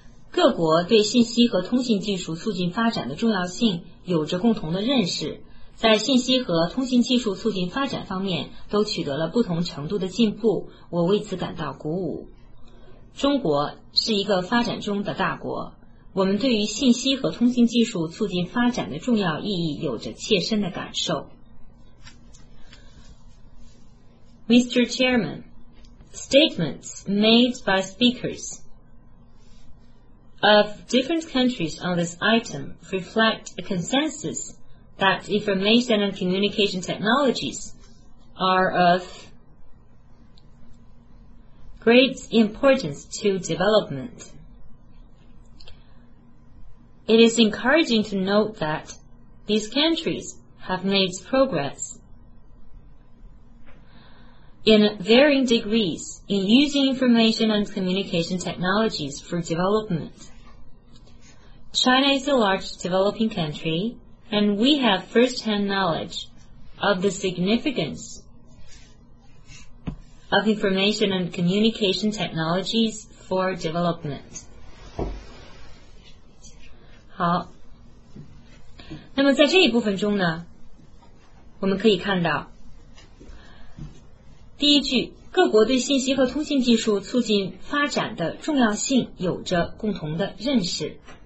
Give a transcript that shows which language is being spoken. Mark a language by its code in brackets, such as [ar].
[zh] 各国对信息和通信技术促进发展的重要性有着共同的认识，在信息和通信技术促进发展方面都取得了不同程度的进步，我为此感到鼓舞。中国是一个发展中的大国，我们对于信息和通信技术促进发展的重要意义有着切身的感受。 [en] Mr. Chairman, statements made by speakers of different countries on this item reflect a consensus that information and communication technologies are of great importance to development. It is encouraging to note that these countries have made progress in varying degrees in using information and communication technologies for development. China is a large developing country, and we have first-hand knowledge of the significance of information and communication technologies for development. [zh] 好，那么在这一部分中呢，我们可以看到，第一句，各国对信息和通信技术促进发展的重要性有着共同的认识。